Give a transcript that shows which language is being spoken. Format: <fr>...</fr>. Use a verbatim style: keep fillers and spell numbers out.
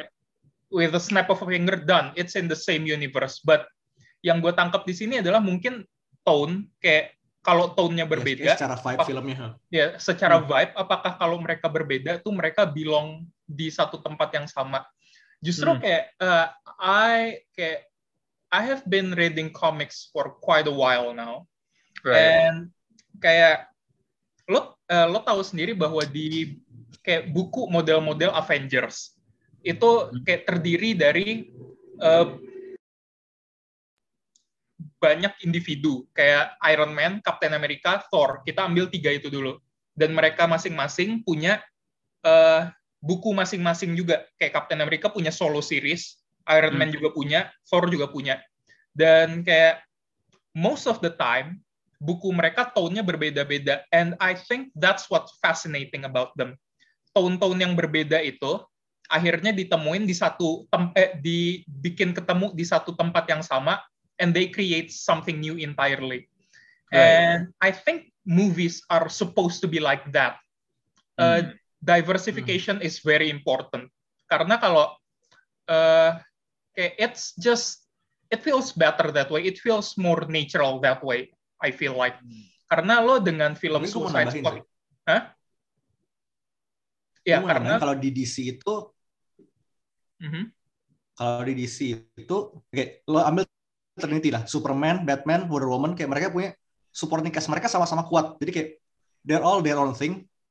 <en>kayak with a snap of a finger done, it's in the same universe.</en> <id>But yang gue tangkap di sini adalah mungkin tone, kayak kalau tone-nya berbeda yes, secara vibe apa, filmnya ya secara hmm. vibe apakah kalau mereka berbeda tuh mereka belong di satu tempat yang sama justru hmm.</id> <en>kayak uh, I kayak I have been reading comics for quite a while now right.</en> <id>and kayak lo uh, lo tahu sendiri bahwa di kayak buku model-model Avengers itu kayak terdiri dari uh, banyak individu kayak Iron Man, Captain America, Thor. Kita ambil tiga itu dulu dan mereka masing-masing punya uh, buku masing-masing juga. Kayak Captain America punya solo series, Iron Man juga punya, Thor juga punya.</id> <en>Dan kayak most of the time</en> <id>buku mereka tone-nya berbeda-beda</id> <en>and I think that's what's fascinating about them.</en> <id>Tone-tone yang berbeda itu akhirnya ditemuin di satu tem- eh, dibikin ketemu di satu tempat yang sama</id> <en>and they create something new entirely. And right. I think movies are supposed to be like that. Uh, mm. Diversification mm. is very important</en> <id>karena kalau uh, kayak</id> <en>it's just it feels better that way. It feels more natural that way. I feel like</en> <id>karena lo dengan film mungkin Suicide Squad, hah? Ya karena kalau di D C itu, mm-hmm. kalau di D C itu, okay, lo ambil Trinity lah, Superman, Batman, Wonder Woman, kayak mereka punya supporting cast mereka sama-sama kuat, jadi kayak</id> <en>they're all their own thing.</en>